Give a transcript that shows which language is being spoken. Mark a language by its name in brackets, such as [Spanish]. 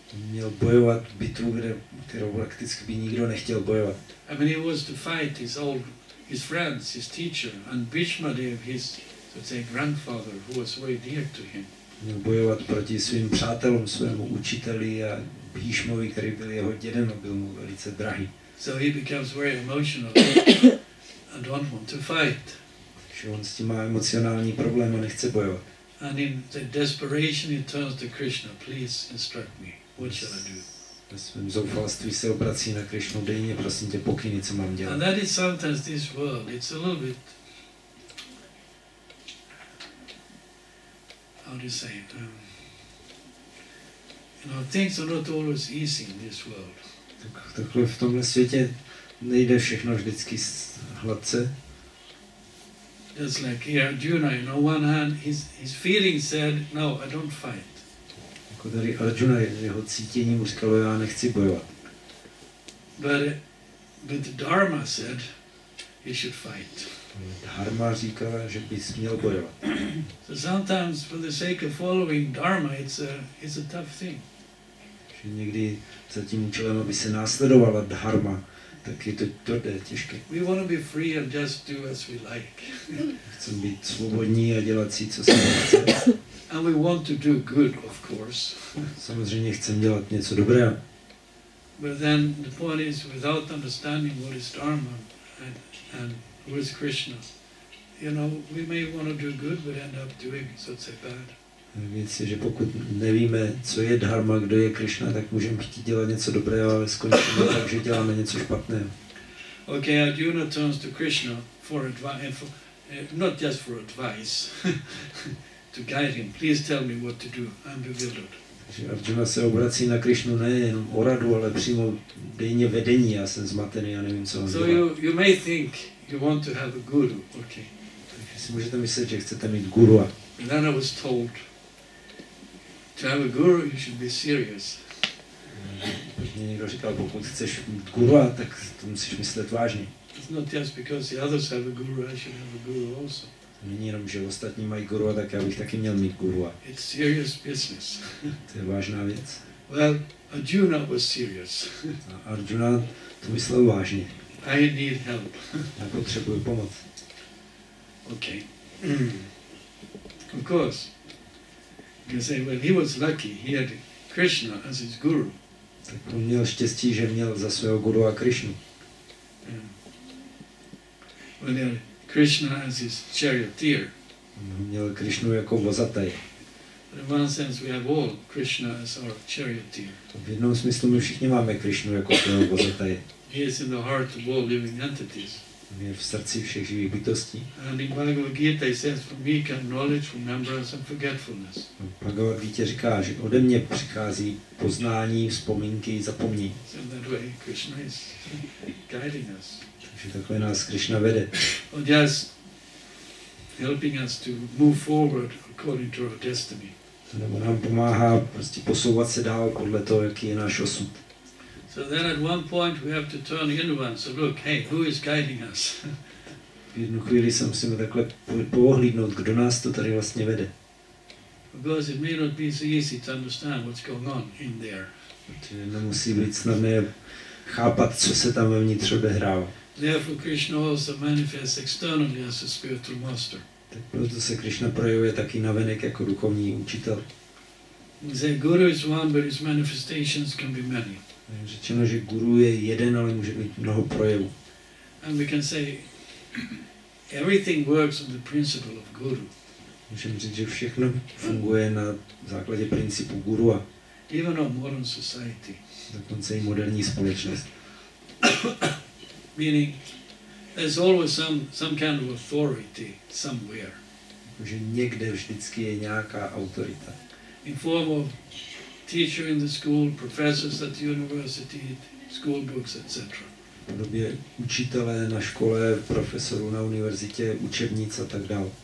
[Czech] Měl bojovat bitvu, kterou prakticky by nikdo nechtěl bojovat. [English] I mean, he was to fight his old, his friends, his teacher, and Bhishma Dev, his, let's say, grandfather, who was very dear to him. [Czech] Měl bojovat proti svým přátelům, svému učiteli a Bhishmovi, který byl jeho dědem a byl mu velice drahý. [English] So he becomes very emotional and don't want to fight. [Czech] Že on s tím má emocionální problém a nechce bojovat. [English] And in the desperation he turns to Krishna, please instruct me. What shall I do? [Czech] Ve svém zoufalství se obrací na Krišnu, dej mi prosím tě pokyny, co mám dělat. [English] And that is sometimes this world. It's a little bit, how do you say it? You know, things are not always easy in this world. [Czech] Takhle v tomhle světě nejde všechno vždycky hladce. [English] Just like here, Arjuna, you know, one hand, his feeling said, no, I don't fight. [Czech] Tady Arjuna, jeho cítění mu říkalo, já nechci bojovat. [English] But the Dharma said he should fight. [Czech] Dharma říkala, že bys měl bojovat. [English] So sometimes for the sake of following Dharma, it's a tough thing. [Czech] Že někdy za tím účelem, aby se následovala Dharma, tak je to tvrdé, těžké. [English] We want to be free and just do as we like. [Czech] Chceme být svobodní a dělat si, co se chce. [English] And we want to do good, of course. [Czech] Samozřejmě chceme dělat něco dobrého. [English] But then the point is, without understanding what is Dharma and who is Krishna, you know, we may want to do good, but end up doing such a bad. [Czech] Věc je, že pokud nevíme, co je Dharma, kdo je Krishna, tak můžeme chtít dělat něco dobrého, ale skončíme tak, že děláme něco špatného. [English] Okay, Arjuna turns to Krishna for advice, not just for advice. To guide him, please tell me what to do. I'm bewildered. [Czech] Takže Arjuna se obrací na Krišnu ne jenom o radu, ale přímo dejně vedení. Já jsem zmatený, já nevím, co mám dělat. [English] So you may think you want to have a guru, okay? [Czech] Takže si můžete myslet, že chcete mít guru. [English] And then I was told to have a guru, you should be serious. [Czech] Mě někdo říkal, pokud chceš mít guru, tak to musíš myslet vážně. [English] It's not just because the others have a guru, I should have a guru also. [Czech] Není jenom, že ostatní mají guru, tak já bych taky měl mít guru. [English] It's serious business. [Czech] To je vážná věc. [English] Well, Arjuna was serious. [Czech] A Arjuna to myslel vážně. [English] I need help. [Czech] Já potřebuji pomoc. [English] Okay. Of course. You say, well, he was lucky. He had Krishna as his guru. [Czech] Tak on měl štěstí, že měl za svého guru a Krishnu. [English] Well, yeah. Krishna as his charioteer. [Czech] Měl Krishnu jako vozatej. [English] But in one sense we have all Krishna as our charioteer. [Czech] V jednom smyslu my všichni máme Krishnu jako svého vozatej. [English] He is in the heart of all living entities. [Czech] Je v srdci všech živých bytostí. [English] And in Bhagavad Gita he says, from me come knowledge, remembrance and forgetfulness. [Czech] Bhagavad Gita říká, že ode mě přichází poznání, vzpomínky, zapomnění. [English] So in that way Krishna is guiding us. [Czech] Že takhle nás Krishna vede. [English] Or just helping us to move forward according to our destiny. [Czech] Nebo nám pomáhá prostě posouvat se dál podle toho, jaký je náš osud. [English] So then at one point we have to turn inward. So look, hey, who is guiding us? [Czech] V jednu chvíli se musíme takhle pohlídnout, kdo nás to tady vlastně vede. [English] Because it may not be so easy to understand what's going on in there. [Czech] Protože nemusí být snadné chápat, co se tam vevnitř odehrává. [English] Therefore, Krishna also manifests externally as a spiritual master. [Czech] Tak proto se Krishna projevuje taky navenek jako duchovní učitel. [English] The guru is one, but his manifestations can be many. [Czech] Řečeno, že guru je jeden, ale může mít mnoho projevů. [English] And we can say everything works on the principle of guru. [Czech] Můžeme říct, že všechno funguje na základě principu guru. [English] Even our modern society. [Czech] Dokonce i moderní společnost. [English] Meaning, there's always some kind of authority somewhere. [Czech] Takže někde vždycky je nějaká autorita. [English] In form of teacher in the school, professors at the university, school books, etc. [Czech] V podobě učitelé na škole, profesorů na univerzitě, učebnice a tak dále.